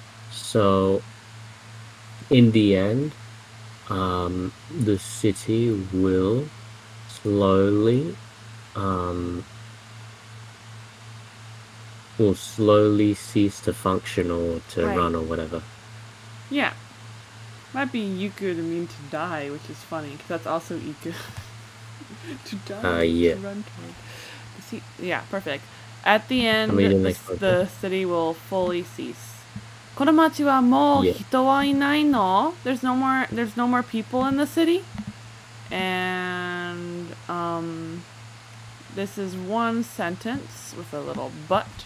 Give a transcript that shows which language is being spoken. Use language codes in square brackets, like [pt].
[en] So, in the end, the city will slowly, will slowly cease to function or to right. run or whatever. Yeah. Might be Yuku to mean to die, which is funny, because that's also Iku. to die, yeah. to run toward. Yeah, perfect. At the end, the city will fully cease. [ja] この街はもう人はいないの? [en] There's no more people in the city. And this is one sentence with a little but.